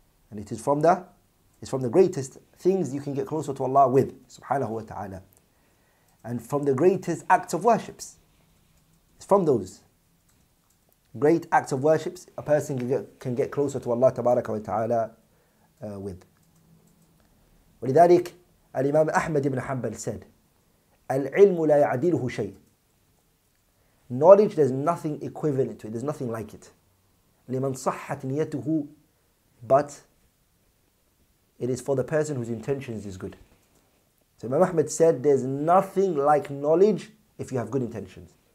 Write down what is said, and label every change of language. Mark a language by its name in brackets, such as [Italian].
[English] And it is from the, it's from the greatest things you can get closer to Allah with, subhanahu wa ta'ala. And from the greatest acts of worships, it's from those great acts of worships a person can get closer to Allah tabaraka wa ta'ala with. [Arabic] ولذلك الإمام أحمد بن حنبل [English] said, [Arabic] العلم لا يعدله شيء. [English] Knowledge, there's nothing equivalent to it, there's nothing like it. [Arabic] لمن صحت نيته, [English] but it is for the person whose intentions is good. So Imam Ahmad said, there's nothing like knowledge if you have good intentions.